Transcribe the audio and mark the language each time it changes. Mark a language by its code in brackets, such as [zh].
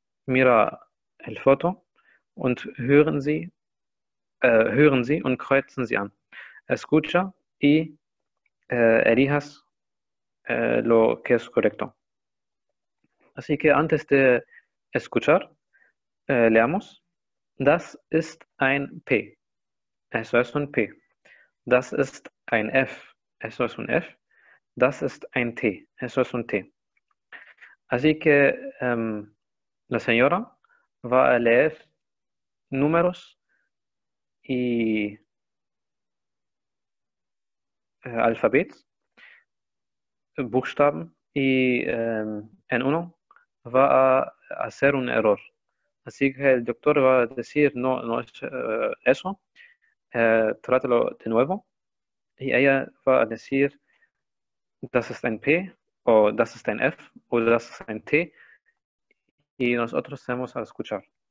[es] Mira el foto [de] und hören Sie und kreuzen Sie an. [es] Escucha y elijas lo que es correcto. Así que antes de escuchar, leamos. [de] Das ist ein P. [es] Eso es un P. [de] Das ist ein F. [es] Eso es un F. [de] Das ist ein T. [es] Eso es un T. Así que la señora va a leer números y alfabetos, Buchstaben y en uno va a hacer un error. Así que el doctor va a decir, no, no es eso, trátelo de nuevo. Y ella va a decir, [de] das ist ein P [es] o [de] das ist ein F [es] o [de] das ist ein T. [es] Y nosotros tenemos a escuchar.